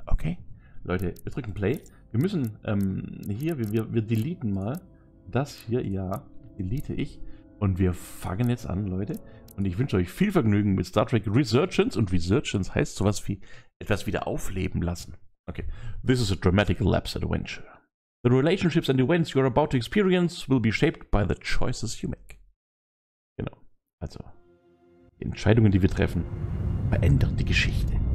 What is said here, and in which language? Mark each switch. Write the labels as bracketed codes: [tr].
[de] Okay? Leute, wir drücken Play. Wir müssen wir deleten mal das hier. Ja, delete ich. Und wir fangen jetzt an, Leute. Und ich wünsche euch viel Vergnügen mit Star Trek Resurgence. Und Resurgence heißt sowas wie etwas wieder aufleben lassen. [en] Okay. This is a dramatic lapse adventure. The relationships and events you are about to experience will be shaped by the choices you make. [de] Genau. Also, die Entscheidungen, die wir treffen, verändern die Geschichte.